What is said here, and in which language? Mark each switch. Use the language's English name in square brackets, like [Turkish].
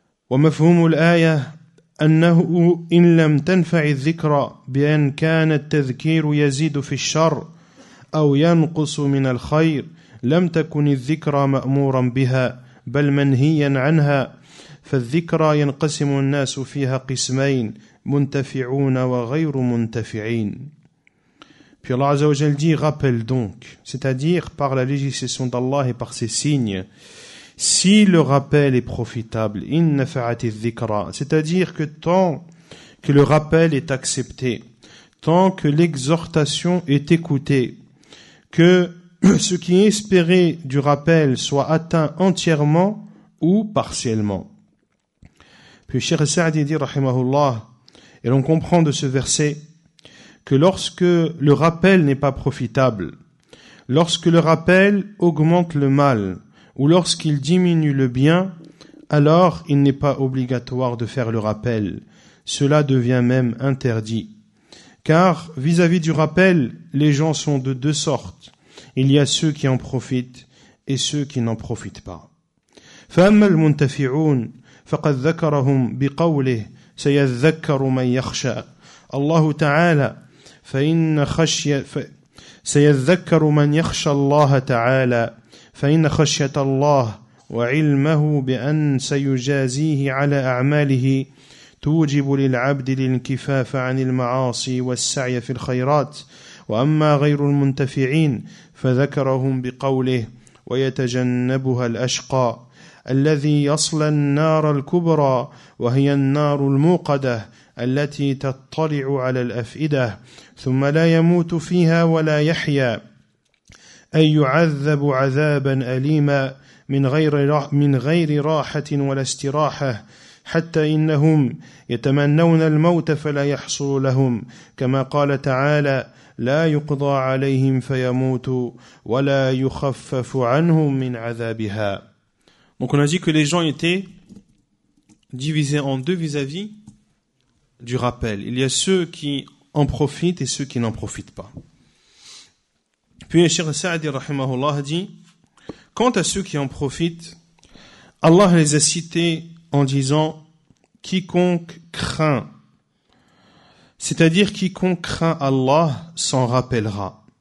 [Arabic] ومفهوم الآية أنه إن لم تنفع الذكرى بأن كان التذكير يزيد في الشر أو ينقص من الخير لم تكن الذكرى مأمورا بها بل منهيا عنها. فالذكرى ينقسم الناس فيها قسمين منتفعون وغير منتفعين. [French] Puis Allah Azza wa Jal dit, rappelle donc, c'est-à-dire par la législation d'Allah et par ses signes, si le rappel est profitable, [Arabic] inna fa'ati dhikra, [French] c'est-à-dire que tant que le rappel est accepté, tant que l'exhortation est écoutée, que ce qui est espéré du rappel soit atteint entièrement ou partiellement. Puis Cheikh Sa'di dit, rahimahullah, et l'on comprend de ce verset, que lorsque le rappel n'est pas profitable, lorsque le rappel augmente le mal, ou lorsqu'il diminue le bien, alors il n'est pas obligatoire de faire le rappel. Cela devient même interdit. Car vis-à-vis du rappel, les gens sont de deux sortes. Il y a ceux qui en profitent et ceux qui n'en profitent pas. [Arabic] فَأَمَّا الْمُنْتَفِعُونَ فَقَدْ ذَكَرَهُمْ بِقَوْلِهِ سَيَذَّكَّرُ مَنْ يَخْشَى الله تعالى فَإِنَّ خَشْيَ سَيَذَّكَّرُ مَنْ يَخْشَى اللَّهَ تعالى فإن خشية الله وعلمه بأن سيجازيه على أعماله توجب للعبد الانكفاف عن المعاصي والسعي في الخيرات. وأما غير المنتفعين فذكرهم بقوله ويتجنبها الأشقى الذي يصلى النار الكبرى وهي النار الموقدة التي تطلع على الأفئدة ثم لا يموت فيها ولا يحيا أن يعذب عذابا أليما من غير راحة ولا استراحة حتى إنهم يتمنون الموت فلا يحصل لهم كما قال تعالى لا يقضى عليهم فيموتوا ولا يخفف عنهم من عذابها. [French] Donc on a dit que les gens étaient divisés en deux vis-à-vis du rappel. Il y a ceux qui en profitent et ceux qui n'en profitent pas. Puis Cheikh Sa'di rahimahullah dit, quant à ceux qui en profitent, Allah les a cités en disant, quiconque craint, c'est-à-dire quiconque craint Allah s'en rappellera.